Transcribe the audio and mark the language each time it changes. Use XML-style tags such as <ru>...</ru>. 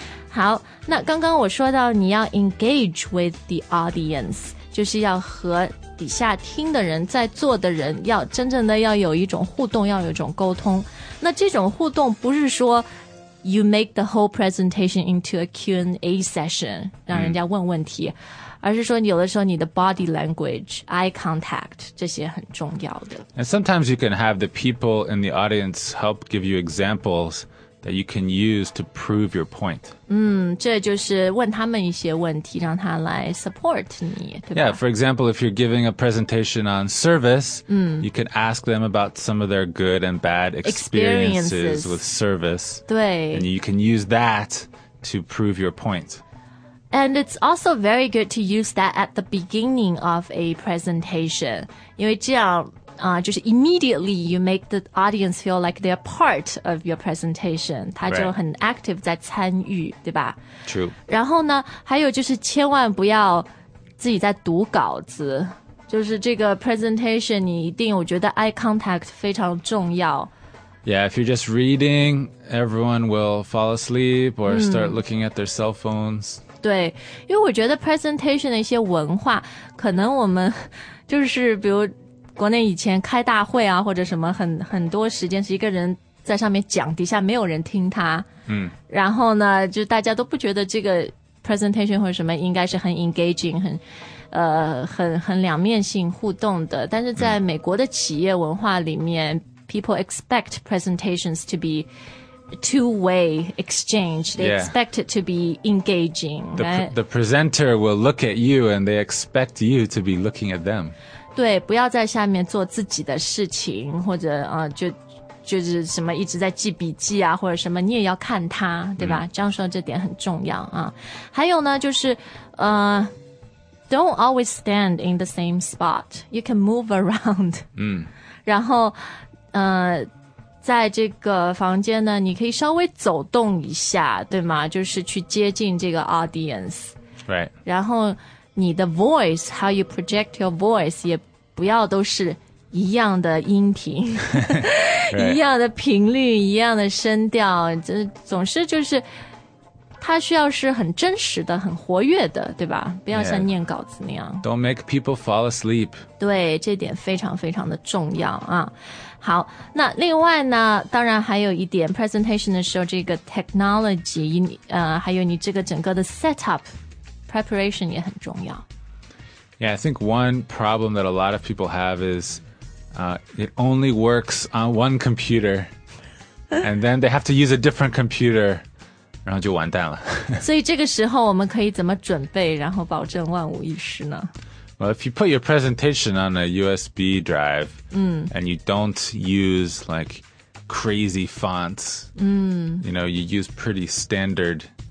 <zh>好那刚刚我说到你要</zh> <en>engage with the audience</en> <zh>就是要和底下听的人在座的人要真正的要有一种互动要有一种沟通那这种互动不是说</zh> <en>you make the whole presentation into a Q&A session</en> <zh>让人家问问题而是说有的时候你的 body language, eye contact, 这些很重要的。</zh> <en>And sometimes you can have the people in the audience help give you examples that you can use to prove your point.</en> <zh>这就是问他们一些问题让他来 support 你对吧。</zh> <en>Yeah, for example, if you're giving a presentation on service, you can ask them about some of their good and bad experiences with service.</en> <zh>对。</zh> <en>And you can use that to prove your point. And it's also very good to use that at the beginning of a presentation.</en> <zh>因为这样就是</zh> <en>immediately you make the audience feel like they're part of your presentation.</en> <zh>他就很 active 在参与对吧</zh> <en>True.</en> <zh>然后呢还有就是千万不要自己在读稿子。就是这个 presentation, 你一定我觉得 eye contact 非常重要。</zh> <en>Yeah, if you're just reading, everyone will fall asleep or start looking at their cell phones.</en> <zh>对因为我觉得 presentation 的一些文化可能我们就是比如国内以前开大会啊或者什么很多时间是一个人在上面讲底下没有人听他然后呢就大家都不觉得这个 presentation 或者什么应该是很 engaging 很两面性互动的但是在美国的企业文化里面</zh> <en>people expect presentations to be two-way exchange. They expect it to be engaging. The presenter will look at you and they expect you to be looking at them.</en> <zh>对不要在下面做自己的事情或者就是什么一直在记笔记啊或者什么你也要看他对吧这样说这点很重要啊。还有呢就是</zh> <en>don't always stand in the same spot. You can move around.</en> <zh>然后在这个房间呢你可以稍微走动一下对吗就是去接近这个 audience</zh> <en>Right</en> <zh>然后你的 voice</zh> <en>How you project your voice</en> <zh>也不要都是一样的音频</zh> <en>right.</en> <zh>一样的频率一样的声调总是就是它需要是很真实的很活跃的对吧不要像念稿子那样、</zh> <en>yeah. Don't make people fall asleep</en> <zh>对这点非常非常的重要啊好那另外呢当然还有一点 presentation 的时候这个 technology, 还有你这个整个的 setup, preparation 也很重要。</zh> <en>Yeah, I think one problem that a lot of people have is, it only works on one computer, and then they have to use a different computer,</en> <zh>然后就完蛋了。所以这个时候我们可以怎么准备然后保证万无一失呢</zh> <en>Well, if you put your presentation on a USB drive, and you don't use like crazy fonts, you know, you use pretty standard</en>